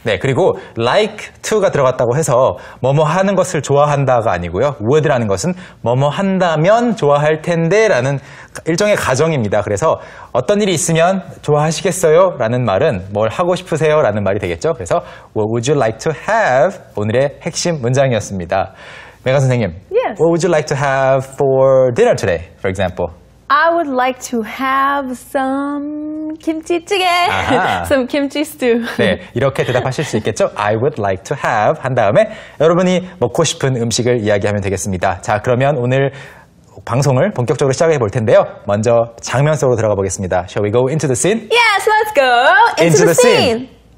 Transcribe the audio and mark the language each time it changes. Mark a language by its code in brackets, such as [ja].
[ko] 네, 그리고 like to가 들어갔다고 해서 뭐뭐 하는 것을 좋아한다가 아니고요. would라는 것은 뭐뭐 한다면 좋아할 텐데 라는 일종의 가정입니다. 그래서 어떤 일이 있으면 좋아하시겠어요? 라는 말은 뭘 하고 싶으세요? 라는 말이 되겠죠. 그래서 [en] what would you like to have? [ko] 오늘의 핵심 문장이었습니다. 메가 선생님, [en] yes. What would you like to have for dinner today, for example? I would like to have some 김치찌개, some kimchi stew. [ko] 네, 이렇게 대답하실 수 있겠죠? [en] I would like to have [ko] 한 다음에 여러분이 먹고 싶은 음식을 이야기하면 되겠습니다. 자, 그러면 오늘 방송을 본격적으로 시작해 볼 텐데요. 먼저 장면 속으로 들어가 보겠습니다. [en] Shall we go into the scene? Yes, let's go into the scene.